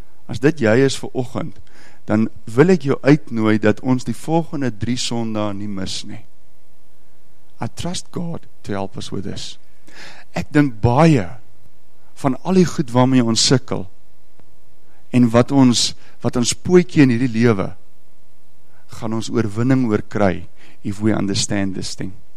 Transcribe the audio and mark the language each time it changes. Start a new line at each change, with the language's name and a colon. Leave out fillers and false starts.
Afrikaans: As dit jy is vir oggend, dan wil ek jou uitnooi dat ons die volgende 3 sondae nie mis nie.
English: I trust God to help us with this.
Afrikaans: Ek dink baie van al die goed waarmee ons sukkel en wat ons pootjie in hierdie lewe, gaan ons oorwinning oorkry,
English: if we understand this thing.